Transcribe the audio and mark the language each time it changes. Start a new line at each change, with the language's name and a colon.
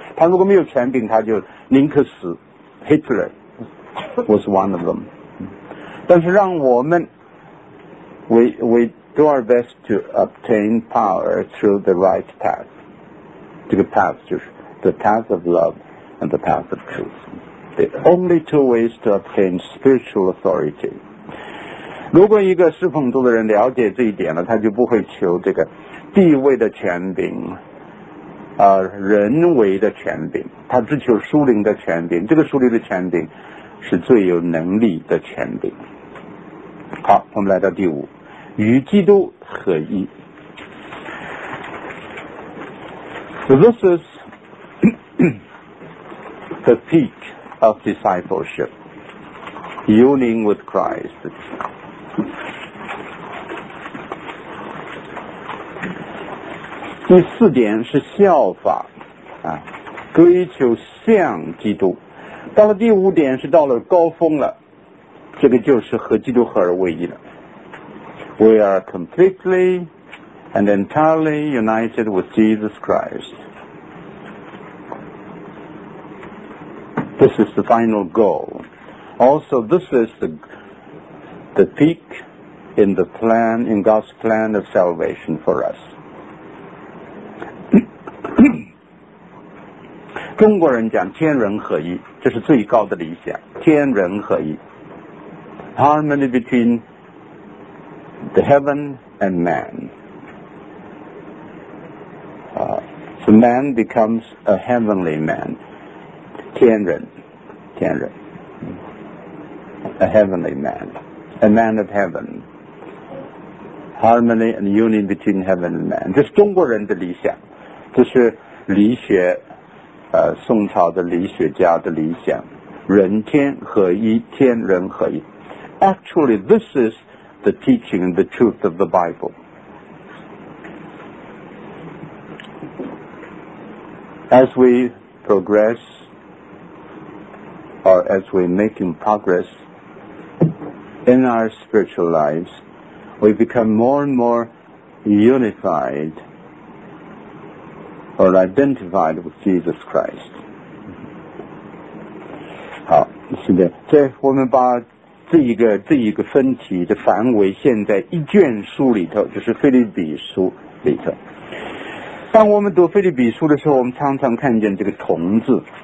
Chinese: 他如果没有权柄，他就宁可死。
English: Hitler was one of them.
Chinese: 但是让我们
English: we do our best to obtain power through the right path.
Chinese: 这个
English: path
Chinese: 就是
English: the path of love and the path of truth. The only two ways to obtain spiritual authority.
Chinese: 如果一个侍奉主的人了解这一点了，他就不会求这个地位的权柄，人为的权柄，他只求属灵的权柄。这个属灵的权柄是最有能力的权柄。好，我们来到第五，与基督合一。
English: So this is the peak. Of discipleship, uniting with Christ.
Chinese: The 四点是效法，啊，追求像基督。到了第五点是到了高峰了，这个就是和基督合而为一了。
English: We are completely and entirely united with Jesus Christ. This is the final goal. Also, this is the peak in the plan, in God's plan of salvation for us.
Chinese: 中国人讲天人合一，这是最高的理想，天人合一。
English: Harmony between the heaven and man. So man becomes a heavenly man.
Chinese: 天人，天人。
English: A heavenly man. A man of heaven. Harmony and union between heaven and man.
Chinese: 这是中国人的理想，这是理学，宋朝的理学家的理想，人天合一，天人合一。
English: Actually, this is the teaching and the truth of the Bible. As we progress, or as we're making progress in our spiritual lives, we become more and more unified or identified with Jesus Christ.
Chinese: 好，是的，这我们把这一个分题的范围现在一卷书里头，就是腓立比书里头。当我们读腓立比书的时候，我们常常看见这个同字。